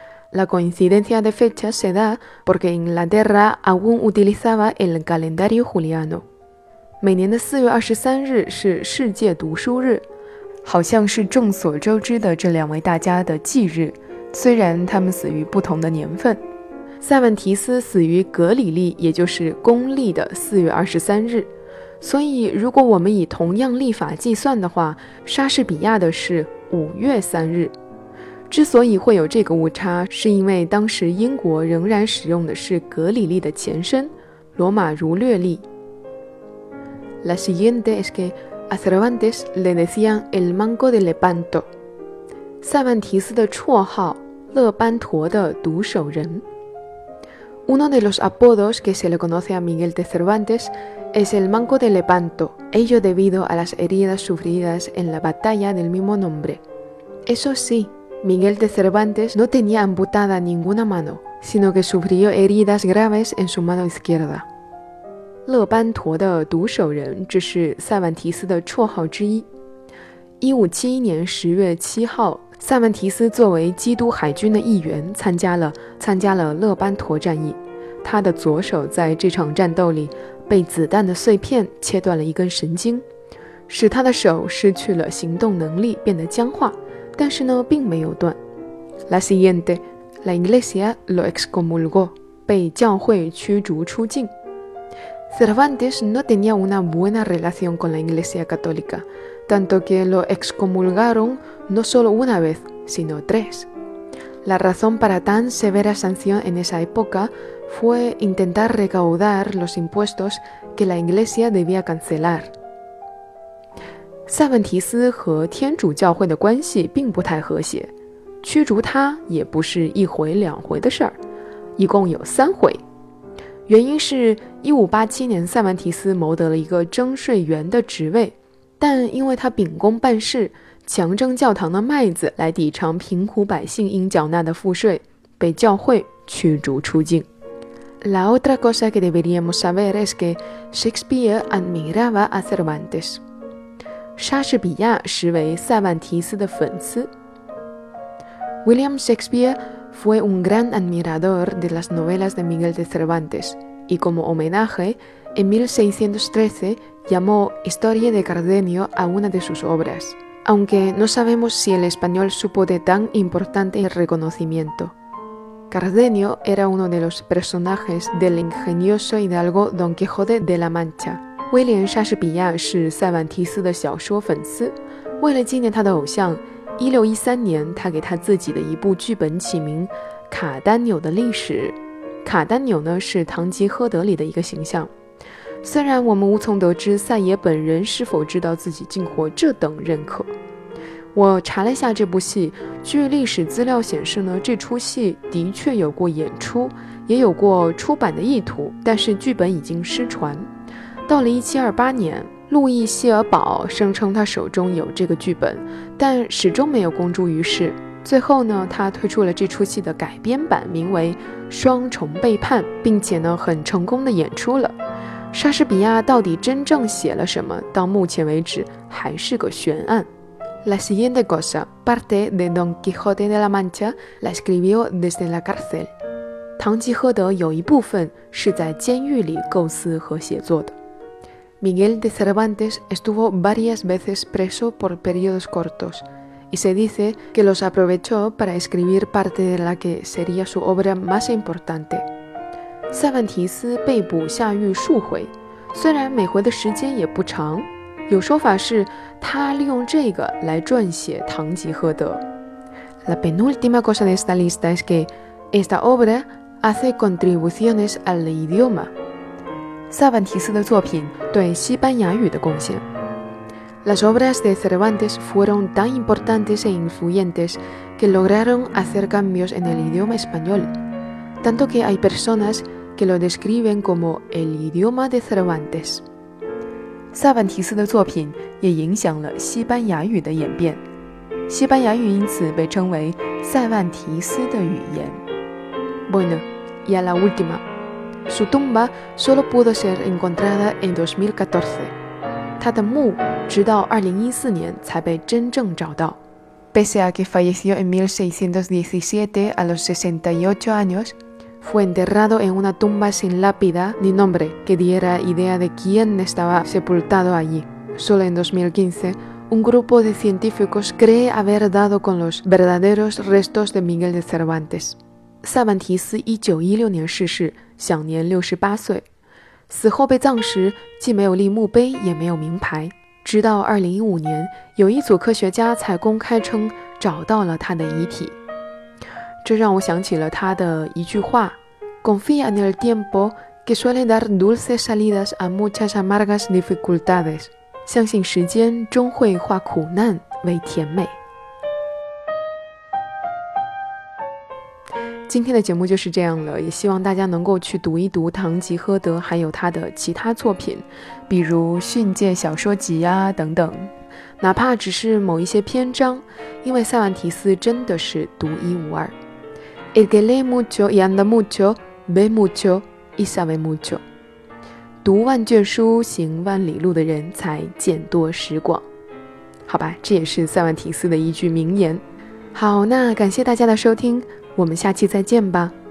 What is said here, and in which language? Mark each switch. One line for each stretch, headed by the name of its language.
Spanish: La coincidencia de fechas se da porque Inglaterra aún utilizaba el calendario juliano.
Chinese: 每年的4月23日是世界读书日，好像是众所周知的这两位大家的忌日，虽然他们死于不同的年份。塞万提斯死于格里历，也就是公历的4月23日。所以如果我们以同样历法计算的话，莎士比亚的是5月3日。之所以会有这个误差，是因为当时英国仍然使用的是格里历的前身罗马儒略历。
Spanish: La siguiente es que a Cervantes le decían el mango de Lepanto.
Chinese: 塞万提斯的绰号勒班陀的独守人。
Spanish: Uno de los apodos que se le conoce a Miguel de Cervantes es el mango de Lepanto, ello debido a las heridas sufridas en la batalla del mismo nombre. Eso sí, Miguel de Cervantes no tenía amputada ninguna mano, sino que sufrió heridas graves en su mano izquierda.
Chinese: 勒班陀的独守人，这是塞万提斯的绰号之一。 1571年10月7号，塞万提斯作为基督海军的一员参加了勒班陀战役，他的左手在这场战斗里被子弹的碎片切断了一根神经，使他的手失去了行动能力，变得僵化，但是呢并没有断。
Spanish: La siguiente, la iglesia lo excomulgó,
Chinese: 被教会驱逐出境。
Spanish: Cervantes no tenía una buena relación con la iglesia católica,tanto que lo excomulgaron no solo una vez, sino tres. La razón para tan severa sanción en esa época fue intentar recaudar los impuestos que la iglesia debía cancelar.
Chinese: 塞万提斯和天主教会的关系并不太和谐，驱逐他也不是一回两回的事儿，一共有三回。原因是1587年塞万提斯谋得了一个征税员的职位，但因为他秉公办事，强征教堂的麦子来抵偿贫苦百姓应缴纳的赋税，被教会驱逐出境。
Spanish: La otra cosa que deberíamos saber es que Shakespeare admiraba a Cervantes.
Chinese: 莎士比亚实为塞万提斯的粉丝。
Spanish: William Shakespeare fue un gran admirador de las novelas de Miguel de Cervantes, y como homenaje, en 1613,llamó Historia de Cardenio a una de sus obras, aunque no sabemos si el español supo de tan importante reconocimiento. Cardenio era uno de los personajes del ingenioso hidalgo Don Quijote de la Mancha.
Chinese: William Shakespeare 是塞万提斯的小说粉丝，为了纪念他的偶像，1613年他给他自己的一部剧本起名《卡丹纽的历史》。卡丹纽呢，是《堂吉诃德》里的一个形象。虽然我们无从得知塞爷本人是否知道自己竟获这等认可，我查了下这部戏，据历史资料显示呢，这出戏的确有过演出，也有过出版的意图，但是剧本已经失传。到了1728年，路易·谢尔堡声称他手中有这个剧本，但始终没有公诸于世。最后呢，他推出了这出戏的改编版，名为《双重背叛》，并且呢，很成功的演出了。莎士比亚到底真正写了什么，到目前为止还是个悬案。
Spanish: La siguiente cosa, parte de Don Quijote de la Mancha la escribió desde la cárcel.
Chinese: 堂吉诃德有一部分是在监狱里构思和写作的。
Spanish: Miguel de Cervantes estuvo varias veces preso por periodos cortos y se dice que los aprovechó para escribir parte de la que sería su obra más importante.
Chinese: 塞万提斯被捕下狱数回，虽然每回的时间也不长，有说法是他利用这个来撰写《堂吉诃德》。
Spanish: La penúltima cosa de esta lista es que esta obra hace contribuciones al idioma.
Chinese: 塞万提斯的作品对西班牙语的贡献。
Spanish: Las obras de Cervantes fueron tan importantes e influyentes que lograron hacer cambios en el idioma español. Tanto que hay personas que lo describen como el idioma de Cervantes.
Chinese: 塞万提斯的作品也影响了西班牙语的演变，西班牙语因此被称为塞万提斯的语言。
Spanish: Bueno, y a la última. Su tumba solo pudo ser encontrada en 2014.
Chinese: 他的墓直到2014年才被真正找到。
Spanish: Pese a que falleció en 1617 a los 68 años, fue enterrado en una tumba sin lápida ni nombre que diera idea de quién estaba sepultado allí. Solo en 2015, un grupo de científicos cree haber dado con los verdaderos restos de Miguel de Cervantes.
Chinese: 塞万提斯1916年逝世，享年68岁。死后被葬时，既没有立墓碑，也没有名牌。直到2015年，有一组科学家才公开称找到了他的遗体。这让我想起了他的一句话
Spanish: Confía en el tiempo que suele dar dulces salidas a muchas amargas dificultades.
Chinese: 相信时间终会化苦难为甜美。今天的节目就是这样了，也希望大家能够去读一读堂吉诃德还有他的其他作品，比如《训诫小说集》啊等等，哪怕只是某一些篇章，因为塞万提斯真的是独一无二。
Spanish: El que lee mucho y anda mucho, ve mucho y sabe mucho.
Chinese: 读万卷书，行万里路的人才见多识广。好吧，这也是塞万提斯的一句名言。好，那感谢大家的收听，我们下期再见吧。